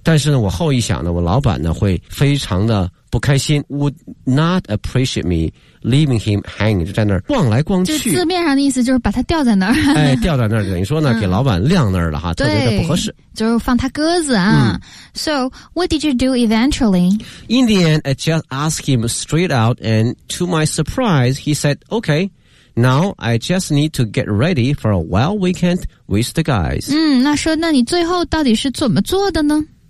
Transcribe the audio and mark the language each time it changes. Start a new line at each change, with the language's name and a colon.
Chinese: 但是呢，我后一想呢，我老板呢会非常的不开心 ，
English: would not appreciate me leaving him hanging，
Chinese: 就在那儿逛来逛去。字面上的意思就是把他吊在那儿。哎，吊在那儿，等于说呢，给老板晾那儿了哈，特别的不合适。就是放他鸽子啊。
English: So what did you do eventually? In the end, I just asked him straight out, and to my surprise, he said, "Okay, now I just need to get ready for a wild weekend with the guys."
Chinese: 那说，那你最后到底是怎么做的呢？